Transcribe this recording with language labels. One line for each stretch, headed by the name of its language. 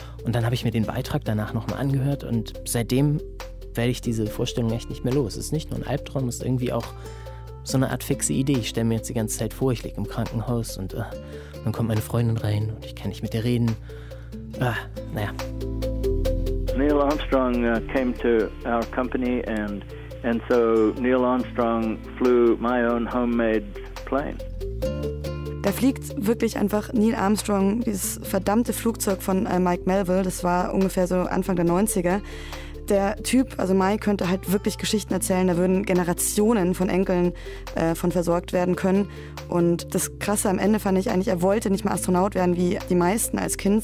German: Und dann habe ich mir den Beitrag danach nochmal angehört und seitdem werde ich diese Vorstellung echt nicht mehr los. Es ist nicht nur ein Albtraum, es ist irgendwie auch so eine Art fixe Idee. Ich stelle mir jetzt die ganze Zeit vor, ich liege im Krankenhaus und dann kommt meine Freundin rein und ich kann nicht mit ihr reden. Naja.
English: Neil Armstrong came to our company and so Neil Armstrong flew my own homemade plane.
German: Da fliegt wirklich einfach Neil Armstrong, dieses verdammte Flugzeug von Mike Melville. Das war ungefähr so Anfang der 90er. Der Typ, also Mike, könnte halt wirklich Geschichten erzählen. Da würden Generationen von Enkeln von versorgt werden können. Und das Krasse am Ende fand ich eigentlich, er wollte nicht mal Astronaut werden wie die meisten als Kind.